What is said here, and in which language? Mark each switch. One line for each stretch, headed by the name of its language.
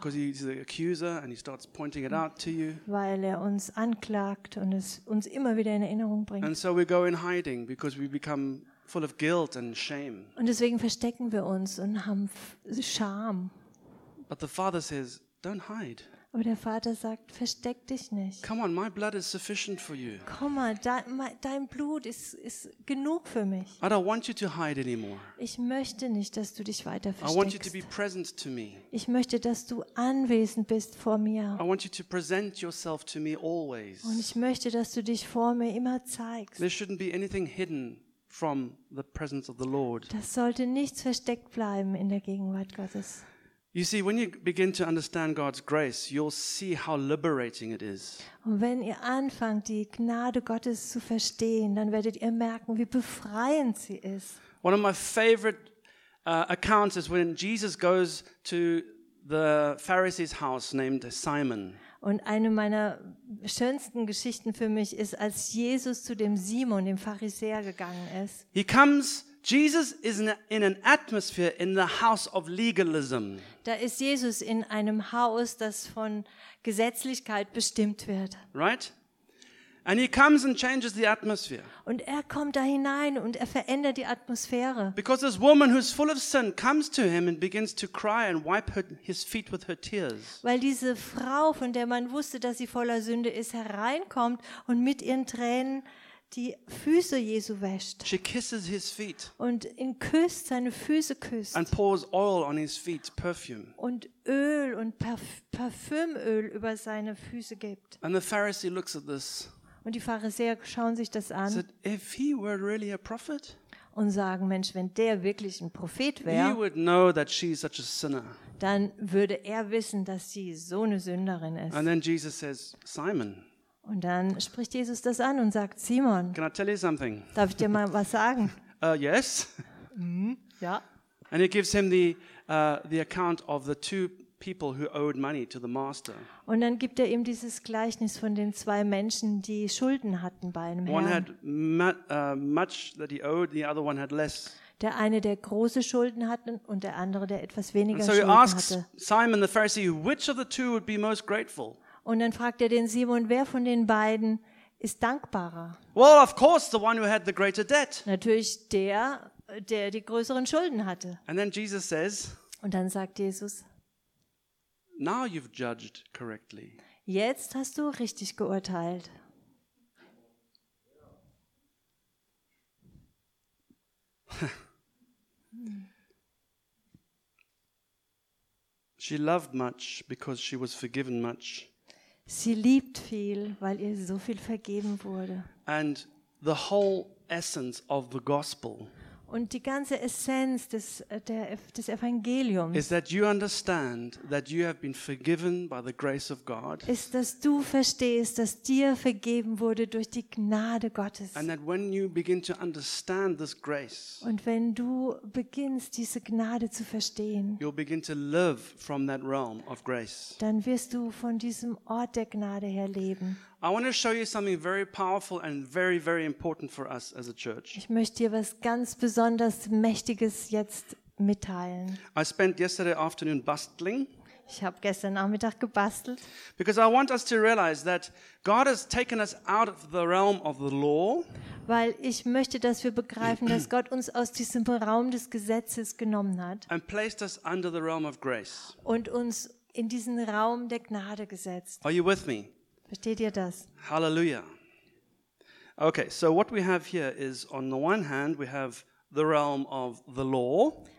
English: Because he's the accuser and he starts pointing it out to you.
German: Weil er uns anklagt und es uns immer wieder in Erinnerung bringt.
English: And so we go in hiding because we become full of guilt and shame.
German: Und deswegen verstecken wir uns und haben Scham.
English: But the Father says, don't hide.
German: Aber der Vater sagt, versteck dich nicht.
English: Come on, my blood is sufficient for you.
German: Komm mal, dein Blut ist genug für mich.
English: I don't want you to hide anymore.
German: Ich möchte nicht, dass du dich weiter versteckst.
English: I want you to be present to me.
German: Ich möchte, dass du anwesend bist vor mir.
English: I want you to present yourself to me always.
German: Und ich möchte, dass du dich vor mir immer zeigst.
English: There shouldn't be anything hidden from the presence of the Lord.
German: Das sollte nichts versteckt bleiben in der Gegenwart Gottes.
English: You see, when you begin to understand God's grace, you'll see how liberating it is.
German: Und wenn ihr anfangt, die Gnade Gottes zu verstehen, dann werdet ihr merken, wie befreiend sie ist.
English: One of my favorite accounts is when Jesus goes to the Pharisee's house named Simon.
German: Und eine meiner schönsten Geschichten für mich ist, als Jesus zu dem Simon, dem Pharisäer, gegangen ist.
English: He comes. Jesus is in an atmosphere in the house of legalism.
German: Da ist Jesus in einem Haus, das von Gesetzlichkeit bestimmt wird.
English: Right? And he comes and changes the atmosphere.
German: Und er kommt da hinein und er verändert die Atmosphäre.
English: Because this woman who's full of sin comes to him and begins to cry and wipe his feet with her tears.
German: Weil diese Frau, von der man wusste, dass sie voller Sünde ist, hereinkommt und mit ihren Tränen die Füße Jesu wäscht.
English: She kisses his feet.
German: Und ihn küsst, seine Füße küsst.
English: And pours oil on his feet, perfume.
German: Und Öl und Parfümöl über seine Füße gibt.
English: And the Pharisee looks at this.
German: Und die Pharisäer schauen sich das an.
English: Said, if he were really a prophet,
German: und sagen, Mensch, wenn der wirklich ein Prophet wäre,
English: he would know that she is such a sinner.
German: Dann würde er wissen, dass sie so eine Sünderin ist.
English: And then Jesus says, Simon.
German: Und dann spricht Jesus das an und sagt, Simon,
English: can I tell you something?
German: Darf ich dir mal was sagen?
English: Yes.
German: Mm-hmm. Ja.
English: And he gives him the account of the two people who owed money to the master.
German: Und dann gibt er ihm dieses Gleichnis von den zwei Menschen, die Schulden hatten bei einem Herrn.
English: One had much that he owed, the other one had less.
German: Der eine, der große Schulden hatte und der andere, der etwas weniger
English: so
German: Schulden
English: asks
German: hatte.
English: Simon the Pharisee, which of the two would be most grateful?
German: Und dann fragt er den Simon, wer von den beiden ist dankbarer?
English: Well, of course, the one who had the greater debt.
German: Natürlich der, der die größeren Schulden hatte.
English: And then Jesus says,
German: und dann sagt Jesus,
English: now you've judged correctly.
German: Jetzt hast du richtig geurteilt.
English: She loved much because she was forgiven much.
German: Sie liebt viel, weil ihr so viel vergeben wurde.
English: And the whole essence of the gospel.
German: Und die ganze Essenz des des Evangeliums
English: is that you understand that you have been forgiven by the grace of God.
German: Ist, dass du verstehst, dass dir vergeben wurde durch die Gnade Gottes.
English: And that when you begin to understand this grace.
German: Und wenn du beginnst, diese Gnade zu verstehen.
English: You'll begin to live from that realm of grace.
German: Dann wirst du von diesem Ort der Gnade her leben.
English: I want to show you something very powerful and very, very important for us as a church.
German: Ich möchte dir was ganz besonders Mächtiges jetzt mitteilen.
English: I spent yesterday afternoon bustling.
German: Ich habe gestern Nachmittag gebastelt.
English: Because I want us to realize that God has taken us out of the realm of the law.
German: Weil ich möchte, dass wir begreifen, dass Gott uns aus diesem Raum des Gesetzes genommen hat.
English: And placed us under the realm of grace.
German: Und uns in diesen Raum der Gnade gesetzt.
English: Are you with me?
German: Versteht ihr das? Hallelujah.
English: Okay, so what we have here is on the one hand we have the realm of the law.